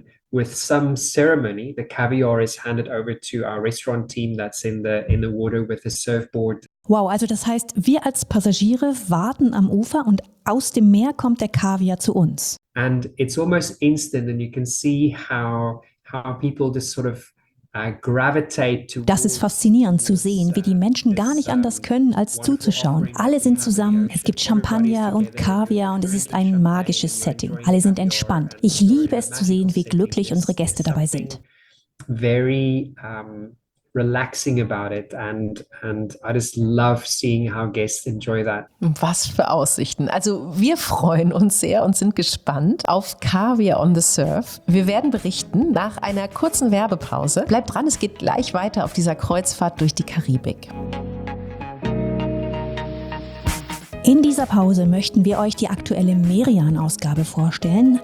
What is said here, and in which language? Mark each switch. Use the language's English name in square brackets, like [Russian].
[English] With some ceremony, the caviar is handed over to our restaurant team that's in the water with a surfboard. [German] Wow, also das heißt, wir als Passagiere warten am Ufer und aus dem Meer kommt der Kaviar zu uns. [English] And it's almost instant, and you can see how people just sort of gravitate to. [German] Das ist faszinierend zu sehen, wie die Menschen gar nicht anders können, als zuzuschauen. Alle sind zusammen, es gibt Champagner und Kaviar und es ist ein magisches Setting. Alle sind entspannt. Ich liebe es zu sehen, wie glücklich unsere Gäste dabei sind. [English] Very relaxing about it and I just love seeing how guests enjoy that. [German] Was für Aussichten. Also wir freuen uns sehr und sind gespannt auf Kaviar on the Surf. Wir werden berichten nach einer kurzen Werbepause. Bleibt dran, es geht gleich weiter auf dieser Kreuzfahrt durch die Karibik. In dieser Pause möchten wir euch die aktuelle Merian-Ausgabe vorstellen.